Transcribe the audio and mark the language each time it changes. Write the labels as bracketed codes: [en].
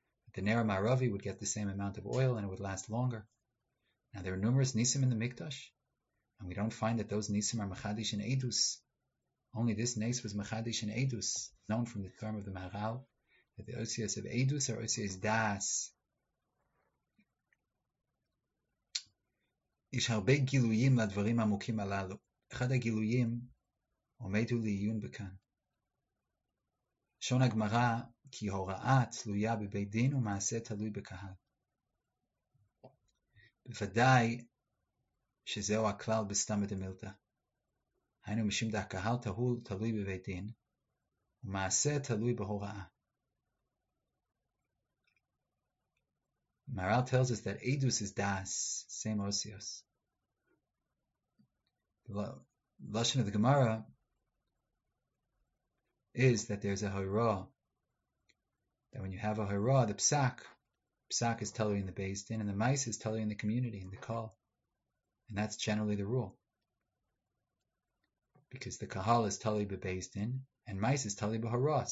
[en] That the Ner HaMaravi would get the same amount of oil and it would last longer. Now there are numerous Nisim in the Mikdash, and we don't find that those Nisim are Mechadish and Edus. Only this Nis was Mechadish and Edus, known from the term of the Maharal, that the Osias of Edus are Osias Das. [he] יש הרבה גילויים לדברים עמוקים הללו. אחד הגילויים עומד הוא לעיון בכאן. שון הגמרא כי הוראה תלויה בבית דין ומעשה תלוי בקהל. בוודאי שזהו הכלל בסתם דמילתא. היינו משום דהקהל תהול תלוי בבית דין ומעשה תלוי בהוראה. [en] מהר"ל tells us that Edus is Das, same Osios. Lashon of the Gemara is that there's a hora, that when you have a hora, the psak is telling the Beis Din, and the mice is telling the community and the kol, and that's generally the rule, because the kahal is telling the Beis Din, and mice is telling the hora.